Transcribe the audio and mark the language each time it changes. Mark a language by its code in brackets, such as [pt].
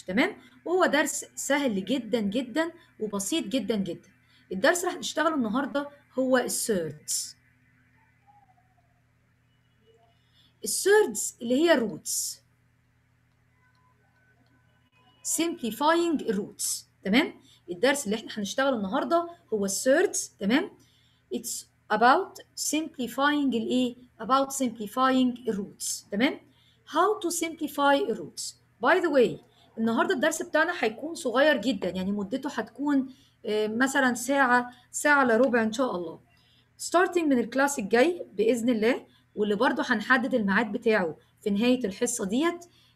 [ar] تمام؟ وهو درس سهل جدا جدا وبسيط جدا جدا. الدرس راح نشتغله النهاردة هو السيرتس. السيرتس اللي هي الروتس، [en] simplifying roots. [ar] تمام؟ الدرس اللي احنا هنشتغله النهاردة هو السيرتس. [en] تمام؟ it's about simplifying الـ about simplifying roots. تمام؟ how to simplify roots. by the way [ar] النهاردة الدرس بتاعنا هيكون صغير جدا، يعني مدته هتكون مثلا ساعة، ساعة لربع ان شاء الله، [en] starting [ar] من الكلاس الجاي بإذن الله، واللي برضو هنحدد الميعاد بتاعه في نهاية الحصة ديت.